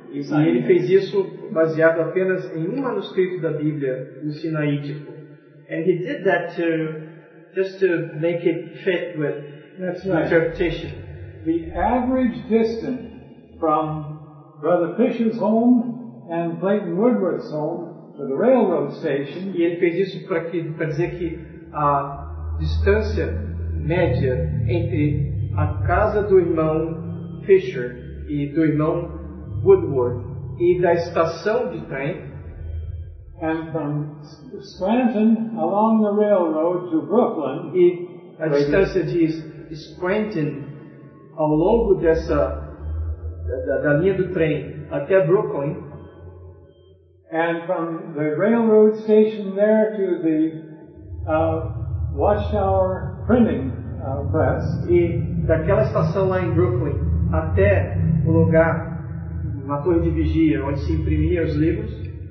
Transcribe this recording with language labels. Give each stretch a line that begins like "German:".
Portuguese: E ele fez isso baseado apenas em um manuscrito da Bíblia, o Sinaítico.
English: And he did that to just to make it fit with interpretation. The average distance from Brother Fisher's home and Clayton Woodworth's home to the railroad station.
Portuguese: E ele fez isso para dizer que a distância média entre a casa do irmão Fisher e do irmão Woodward e da estação de trem,
English: and from Scranton along the railroad to Brooklyn,
Portuguese: e a distância de Scranton ao longo dessa da linha do trem até Brooklyn,
English: and from the railroad station there to the watchtower printing press,
Portuguese: e daquela estação lá em Brooklyn até o lugar na torre de vigia onde se imprimia os livros